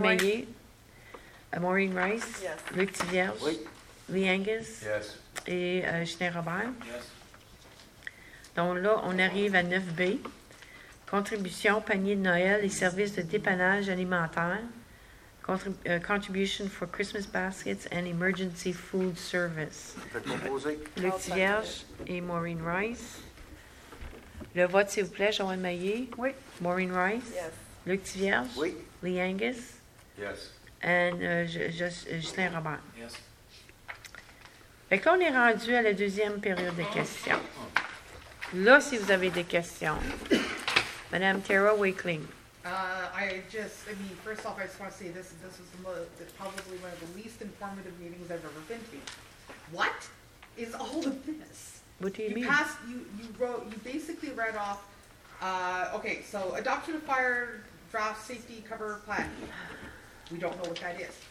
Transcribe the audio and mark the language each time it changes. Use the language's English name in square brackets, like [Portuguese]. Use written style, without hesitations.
[French] oui. Maillé. Maureen Rice. [English] Yes. Luc Thivierge. [French] Oui. Lee Angus. [English] Yes. [French] Et Justin Robert. [English] Yes. [French] Donc là, on arrive à 9B. Contribution, panier de Noël et services de dépannage alimentaire. [English] contribution for Christmas baskets and emergency food service. [French] Luc Vierge et Maureen Rice. Le vote, s'il vous plaît, Joël Maillé. Oui. Maureen Rice. [English] Yes. Luc Vierge. [French] Oui. Lee Angus. [English] Yes. And Justin Robert. Yes. [French] Fait que là, on est rendu à la deuxième période de questions. Là, si vous avez des questions, Madame Tara Wakeling. [English] I just want to say this was probably one of the least informative meetings I've ever been to. What is all of this? What do you mean? You basically read off. So adoption of fire draft safety cover plan. We don't know what that is.